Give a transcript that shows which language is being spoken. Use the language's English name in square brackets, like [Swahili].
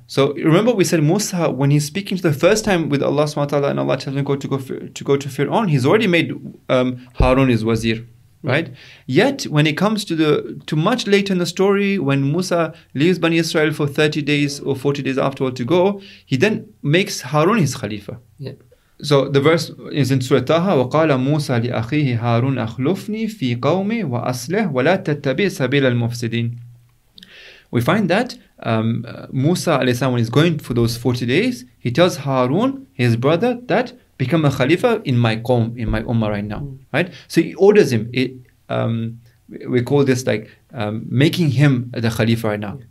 [English] So remember we said Musa, when he's speaking to the first time with Allah subhanahu wa ta'ala and Allah tells him to go to Fir'aun, he's already made Harun his wazir. Right. Yet when it comes to much later in the story, when Musa leaves Bani Israel for 30 days or 40 days afterward to go, he then makes Harun his Khalifa. Yeah. So the verse is in Surah Taha, [Arabic] وَقَالَ مُوسَى لِأَخِيهِ هَارُونَ أَخْلُفْنِي فِي قَوْمِي وَأَصْلِحْ وَلَا تَتَّبِعْ سَبِيلَ الْمُفْسِدِينَ. [English] We find that Musa alayhi salam, when he's going for those 40 days, he tells Harun, his brother, that become a Khalifa in my qawm, in my ummah right now, right? So he orders him. We call this like making him the Khalifa right now.